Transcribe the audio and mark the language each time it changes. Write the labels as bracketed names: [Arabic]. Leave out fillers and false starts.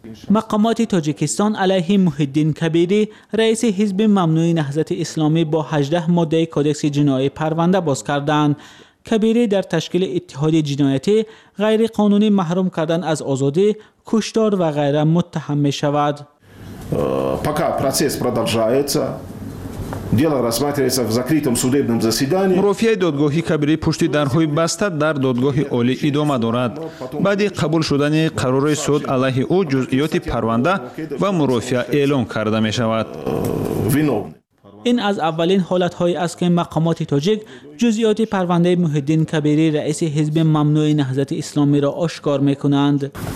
[Persian] مقامات تاجیکستان علیه محی الدین کبیری رئیس حزب ممنوع نهضت اسلامی با 18 ماده کدکس جنایی پرونده باز کردند. کبیری در تشکیل اتحاد جنایتی غیر قانونی محروم کردن از آزادی، کشتار و غیره متهم می‌شود. [Russian] پاکا پروسس продолжается. Дело рассматривается в закрытом судебном заседании. [Tajik] Мурофия додгоҳи кабири пушти дарҳои баста дар додгоҳи оли идома дорад. Баъди қабул шудани қарори суд алайҳи ӯ ҷузъиёти парванда ва мурофия эълон карда мешавад. [Persian] این از اولین حالت‌های است که مقامات تاجیک جزئیات پرونده محی الدین کبیری رئیس حزب ممنوع نهضت اسلامی را آشکار می‌کنند.